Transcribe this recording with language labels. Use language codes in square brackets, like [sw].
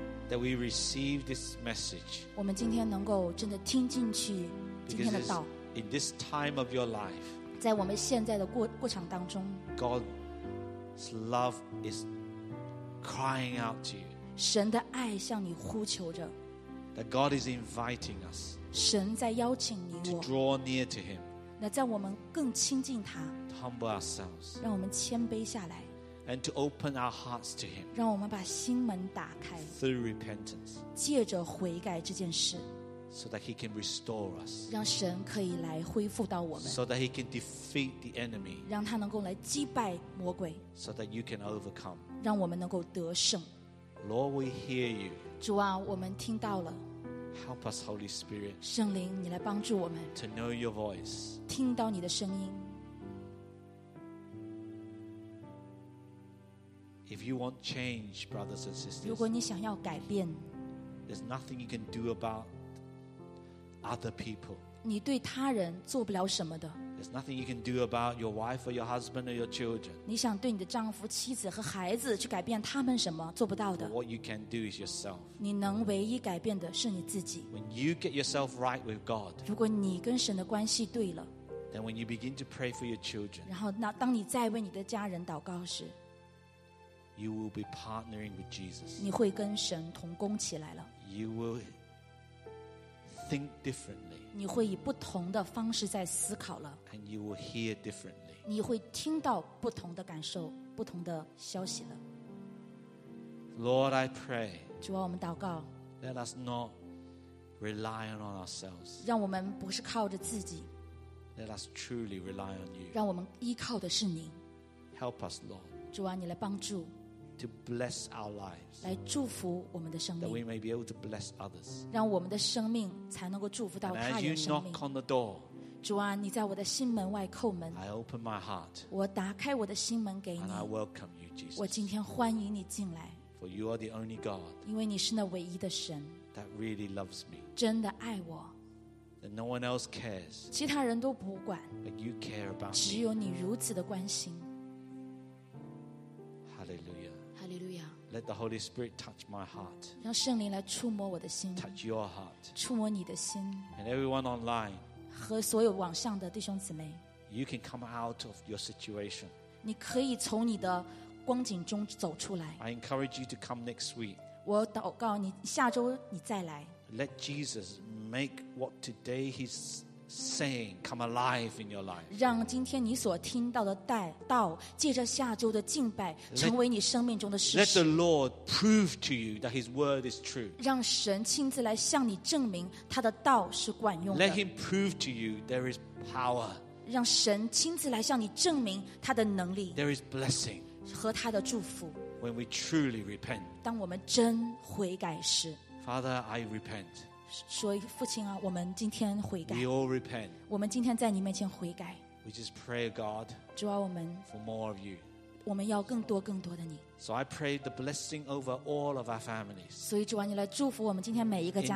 [en] That we receive this message. [zh] 我们今天能够真的听进去今天的道。 [en] In this time of your life, [zh] 在我们现在的过程当中 [en] ，God's love is crying out to you. [zh] 神的爱向你呼求着。 [en] That God is inviting us. [zh] 神在邀请你我。 [en] To draw near to Him. [zh] 那在我们更亲近他。 [en] Humble ourselves. [zh] 让我们谦卑下来。 [en] And to open our hearts to Him. [zh] 让我们把心门打开。 [en] Through repentance. [zh] 借着悔改这件事。 [en] So that He can restore us. [zh] 让神可以来恢复到我们。 [en] So that He can defeat the enemy. [zh] 让他能够来击败魔鬼。 [en] So that you can overcome. [zh] 让我们能够得胜。 [en] Lord, we hear you. [zh] 主啊，我们听到了。 [en] Help us, Holy Spirit. [zh] 圣灵，你来帮助我们。 [en] To know your voice. [zh] 听到你的声音。 [en] If you want change, brothers and sisters, [zh] 如果你想要改变， [en] there's nothing you can do about other people. [zh] 你对他人做不了什么的。 [en] There's nothing you can do about your wife or your husband or your children. [zh] 你想对你的丈夫、妻子和孩子去改变他们什么，做不到的。 [en] But what you can do is yourself. [zh] 你能唯一改变的是你自己。 [en] When you get yourself right with God, [zh] 如果你跟神的关系对了。 [en] Then when you begin to pray for your children, [zh] 然后那当你再为你的家人祷告时， [en] you will be partnering with Jesus. [zh] 你会跟神同工起来了。 [en] You will think differently. [zh] 你会以不同的方式在思考了。 [en] And you will hear differently. [zh] 你会听到不同的感受，不同的消息了。 [en] Lord, I pray. [zh] 主啊，我们祷告。 [en] Let us not rely on ourselves. [zh] 让我们不是靠着自己。 [en] Let us truly rely on you. [zh] 让我们依靠的是你。 [en] Help us, Lord. [zh] 主啊，你来帮助。 [en] To bless our lives. [zh] 来祝福我们的生命。 [en] That we may be able to bless others. [zh] 让我们的生命才能够祝福到他人生命。 [en] And as you knock on the door, [zh] 主啊，你在我的心门外叩门。 [en] I open my heart. [zh] 我打开我的心门给你。 [en] And I welcome you, Jesus. [zh] 我今天欢迎你进来。 [en] For you are the only God. [zh] 因为你是那唯一的神。 [en] That really loves me. [zh] 真的爱我。 [en] That no one else cares. [zh] 其他人都不管。 [en] But you care about me. [zh] 只有你如此的关心。 [en] Hallelujah. Hallelujah. Let the Holy Spirit touch my heart. [zh] 让圣灵来触摸我的心。 [en] Touch your heart. [zh] 触摸你的心。 [en] And everyone online. [zh] 和所有网上的弟兄姊妹。 [en] You can come out of your situation. [zh] 你可以从你的光景中走出来。 [en] I encourage you to come next week. [zh] 我祷告你下周你再来。 [en] Let Jesus make what today he's saying come alive in your life. [zh] 让今天你所听到的道借着下周的敬拜成为你生命中的事实。 [en] let the Lord prove to you that his word is true. [zh] 让神亲自来向你证明他的道是管用的。 [en] let him prove to you there is power. [zh] 让神亲自来向你证明他的能力。 [en] there is blessing. [zh] 和他的祝福。 [en] when we truly repent. [zh] 当我们真悔改时。 [en] Father, I repent. [zh] 所以父亲啊，我们今天悔改。 [en] We all repent. [zh] 我们今天在你面前悔改。 [en] We just pray, God. [zh] 主啊，我们。 [en] For more of you. [zh] 我们要更多更多的你。 [en] So I pray the blessing over all of our families. [zh] 所以主啊，你来祝福我们今天每一个家庭。